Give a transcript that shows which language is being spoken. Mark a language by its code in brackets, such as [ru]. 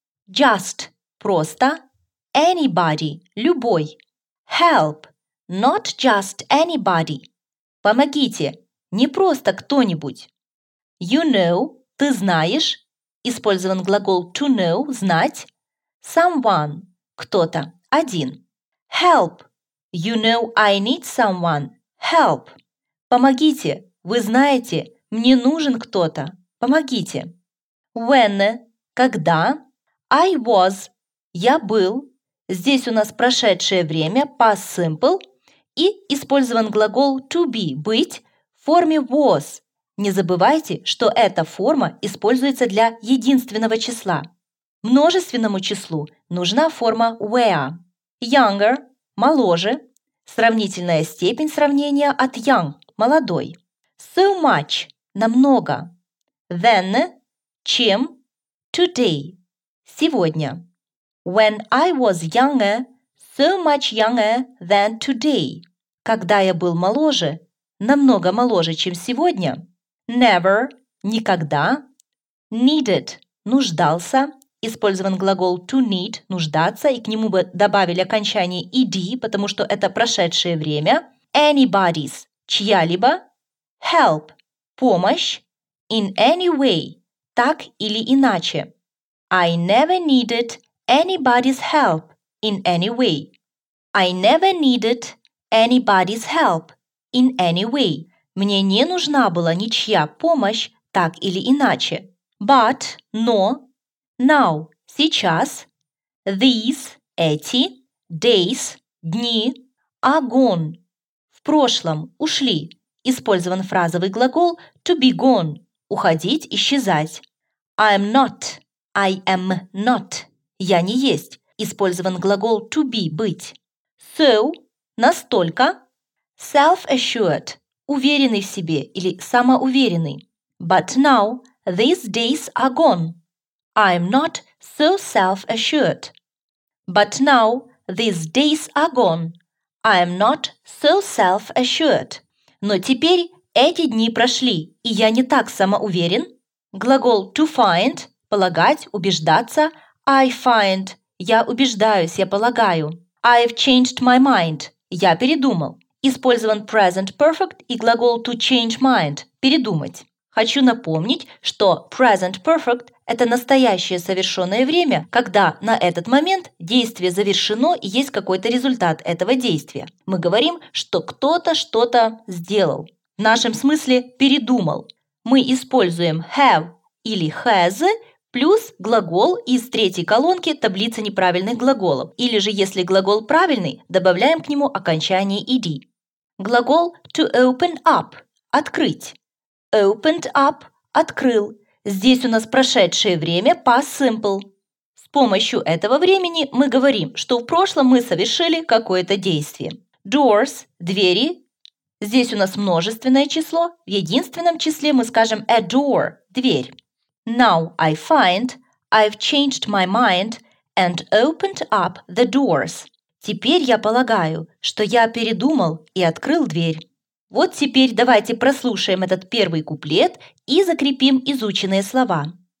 [en] Just – [ru] просто. [en] Anybody – [ru] любой. [en] Help – not just anybody. [ru] Помогите – не просто кто-нибудь. [en] You know [ru] – ты знаешь. Использован глагол to know – знать. [en] Someone [ru] – кто-то, один. [en] Help – you know I need someone. Help [ru] – помогите, вы знаете, мне нужен кто-то. Помогите. [en] When [ru] – когда. [en] I was – [ru] я был. Здесь у нас прошедшее время, past simple, и использован глагол to be, быть, в форме was. Не забывайте, что эта форма используется для единственного числа. Множественному числу нужна форма where. [en] Younger [ru] – моложе. Сравнительная степень сравнения от young – молодой. [en] So much – [ru] намного. [en] Then – [ru] чем. [en] Today – [ru] сегодня. [en] When I was younger, so much younger than today. [ru] Когда я был моложе, намного моложе, чем сегодня. [en] Never – [ru] никогда. [en] Needed – [ru] нуждался. Использован глагол [en] to need [ru] – нуждаться. И к нему бы добавили окончание ed, потому что это прошедшее время. [en] Anybody's – [ru] чья-либо. [en] Help – [ru] помощь. [en] In any way – [ru] так или иначе. [en] I never needed anybody's help in any way. I never needed anybody's help in any way. [ru] Мне не нужна была ничья помощь, так или иначе. [en] But, [ru] но, [en] now, [ru] сейчас, [en] these, [ru] эти, [en] days, [ru] дни, [en] are gone. [ru] В прошлом, ушли. Использован фразовый глагол [en] to be gone, [ru] уходить, исчезать. [en] I am not, I am not, [ru] я не есть. Использован глагол to be, быть. [en] So, [ru] настолько. [en] Self-assured, [ru] уверенный в себе или самоуверенный. [en] But now, these days are gone. I'm not so self-assured. But now, these days are gone. I'm not so self-assured. [ru] Но теперь эти дни прошли, и я не так самоуверен. Глагол [en] to find, [ru] полагать, убеждаться. [en] I find, [ru] я убеждаюсь, я полагаю. [en] I've changed my mind, [ru] я передумал. Использован present perfect и глагол [en] to change mind [ru] – передумать. Хочу напомнить, что present perfect – это настоящее совершенное время, когда на этот момент действие завершено и есть какой-то результат этого действия. Мы говорим, что кто-то что-то сделал. В нашем смысле – передумал. Мы используем have или has плюс глагол из третьей колонки таблицы неправильных глаголов. Или же, если глагол правильный, добавляем к нему окончание ed. Глагол [en] to open up [ru] – открыть. [en] Opened up [ru] – открыл. Здесь у нас прошедшее время past simple. С помощью этого времени мы говорим, что в прошлом мы совершили какое-то действие. [en] Doors [ru] – двери. Здесь у нас множественное число. В единственном числе мы скажем [en] a door [ru] – дверь. [en] Now I find I've changed my mind and opened up the doors. [ru] Теперь я полагаю, что я передумал и открыл дверь. Вот теперь давайте прослушаем этот первый куплет и закрепим изученные слова.